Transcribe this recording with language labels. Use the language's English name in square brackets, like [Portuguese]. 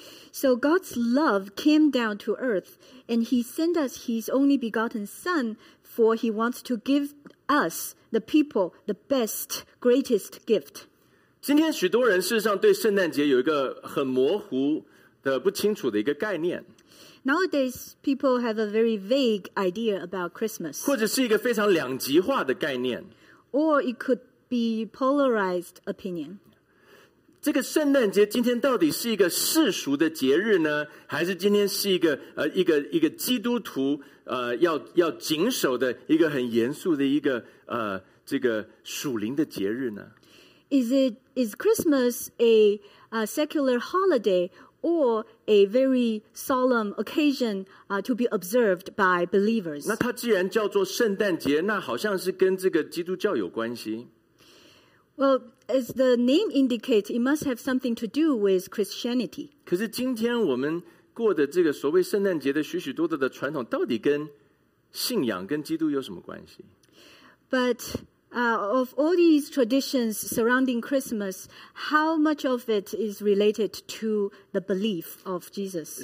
[English] So God's love came down to earth, and He sent us His only begotten Son, for He wants to give us, the people, the best, greatest gift. [Chinese] 今天许多人事实上对圣诞节有一个很模糊的、不清楚的一个概念。 [English] Nowadays, people have a very vague idea about Christmas. [Chinese] 或者是一个非常两极化的概念。 [English] Or it could be polarized opinion. [Chinese] 这个圣诞节今天到底是一个世俗的节日呢，还是今天是一个基督徒要谨守的一个很严肃的一个这个属灵的节日呢？ [English] Is Christmas a secular holiday or a very solemn occasion to be observed by believers? [Chinese] 那它既然叫做圣诞节，那好像是跟这个基督教有关系。 [English] Well, as the name indicates, it must have something to do with Christianity. [Chinese] 可是今天我们过的这个所谓圣诞节的许许多多的传统，到底跟信仰、跟基督有什么关系？ [English] But of all these traditions surrounding Christmas, how much of it is related to the belief of Jesus?